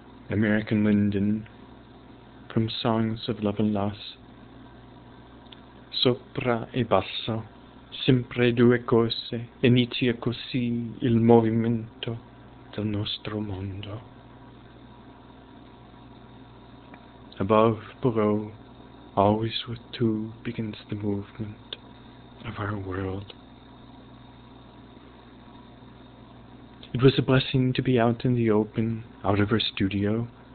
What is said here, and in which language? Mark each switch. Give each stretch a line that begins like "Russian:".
English: American Linden, from Songs of Love and Loss.
Italian: Sopra e basso, sempre due cose, inizia così il movimento del nostro mondo.
English: Above, below, always with two begins the movement of our world. It was a blessing to be out in the open, out of her studio.